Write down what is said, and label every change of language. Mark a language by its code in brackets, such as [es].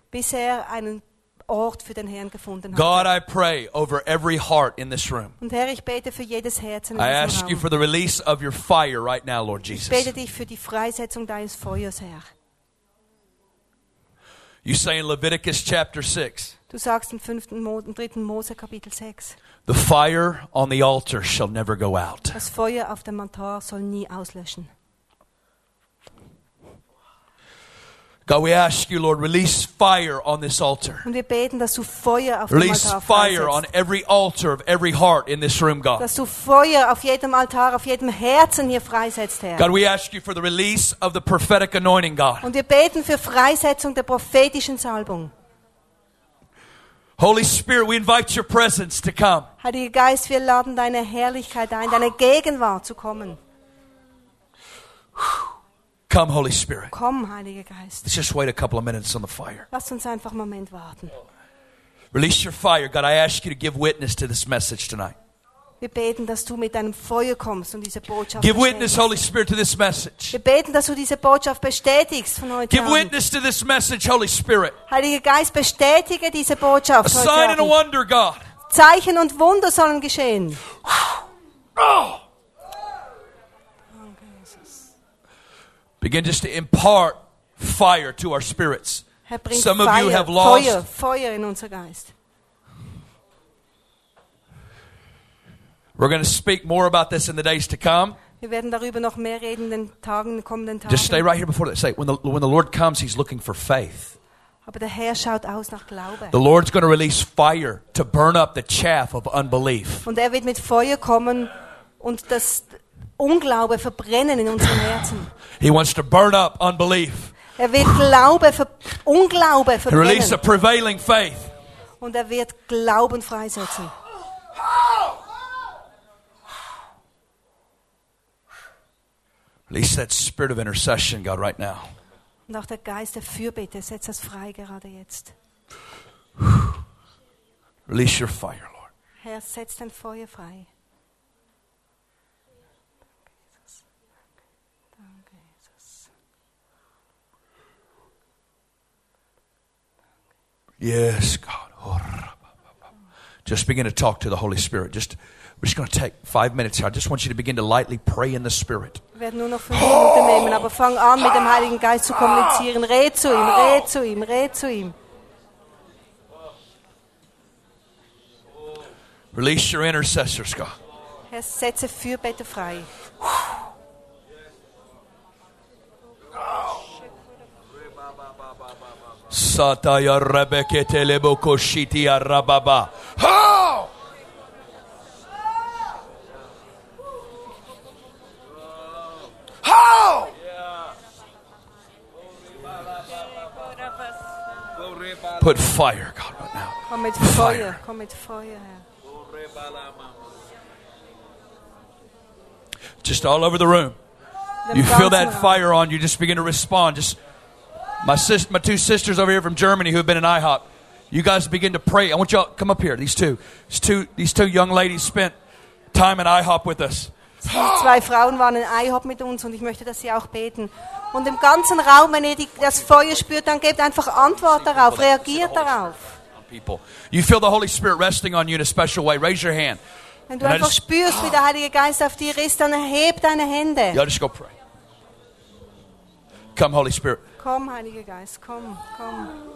[de] Bis er einen Ort für den Herrn gefunden hat. [en] God, I pray over every heart in this room. [de] Und Herr, ich bete für jedes Herz in diesem Raum. [en] I ask you for the release of your fire right now, Lord Jesus. [de] Ich bete dich für die Freisetzung deines Feuers, Herr. [en] You say in Leviticus chapter 6. [de] Du sagst im 3. Mose Kapitel 6. [en] The fire on the altar shall never go out. [de] Das Feuer auf dem Altar soll nie auslöschen. [en] God, we ask you, Lord, release fire on this altar. [de] Und wir beten, dass du Feuer auf [en] release [de] dem Altar [en] fire on every altar of every heart in this room, God. [de] Dass du Feuer auf jedem Altar, auf jedem Herzen hier freisetzt, Herr. [en] God, we ask you for the release of the prophetic anointing, God. [de] Und wir beten für Freisetzung der prophetischen Salbung. [en] Holy Spirit, we invite your presence to come. [de] Heiliger Geist, wir laden deine Herrlichkeit ein, deine Gegenwart zu kommen. [en] Come, Holy Spirit. [de] Komm, Heiliger Geist. [en] Let's just wait a couple of minutes on the fire. [de] Lass uns einfach einen Moment warten. [en] Release your fire, God. I ask you to give witness to this message tonight. [de] Wir beten, dass du mit deinem Feuer kommst und diese Botschaft bestätigst. [en] Give witness, Holy Spirit, to this message. [de] Wir beten, dass du diese Botschaft bestätigst von heute [en] Give [de] an. [en] Witness to this message, Holy Spirit. [de] Heiliger Geist, bestätige diese Botschaft [en] a sign [de] heute [en] and a wonder, God. [de] Zeichen und Wunder sollen geschehen. Oh! [en] Begin just to impart fire to our spirits. Some of you have lost fire in [de] unser Geist. [en] We're going to speak more about this in the days to come. [de] Wir werden darüber noch mehr reden in den Tagen, kommenden Tagen. [en] Just stay right here before that. Say, when the Lord comes, he's looking for faith. [de] Aber der Herr schaut aus nach Glaube. [en] The Lord's going to release fire to burn up the chaff of unbelief. [de] Und er wird mit Feuer kommen und das Unglaube verbrennen in unseren Herzen. [en] He wants to burn up unbelief. [de] Er wird Unglaube verbrennen. [en] He releases a prevailing faith. [de] Und er wird Glauben freisetzen. [en] Release that spirit of intercession, God, right now. [de] Und auch der Geist der Fürbitte setzt das frei gerade jetzt. [en] Release your fire, Lord. [de] Herr, setz dein Feuer frei. [en] Yes, God. Just begin to talk to the Holy Spirit. We're just going to take 5 minutes here. I just want you to begin to lightly pray in the Spirit. [de] Wir werden nur noch 5 Minuten nehmen, aber fang an, mit dem Heiligen Geist zu kommunizieren. Red zu ihm, red zu ihm, red zu ihm. [en] Release your intercessors, God. [de] Herr, setze Fürbitte frei. Sataya Rebeke Teleboko Shiti Arababa. Ha! Ha! [en] Put fire, God, right now. Come with fire. Come with fire. Just all over the room. You feel that fire on you, just begin to respond. Just. My two sisters over here from Germany who have been in IHOP, you guys begin to pray. I want y'all to come up here, these two young ladies spent time in IHOP with us. [de] Zwei Frauen waren in IHOP mit uns und ich möchte, dass sie auch beten. Und im ganzen Raum, wenn ihr das Feuer spürt, dann gebt einfach Antwort darauf, reagiert darauf. [en] You feel the Holy Spirit resting on you in a special way. Raise your hand. [de] Wenn du einfach spürst, wie der Heilige Geist auf dir ist, dann erheb deine Hände. [en] Y'all just go pray. Come, Holy Spirit. [de] Komm, Heiliger Geist, komm, komm.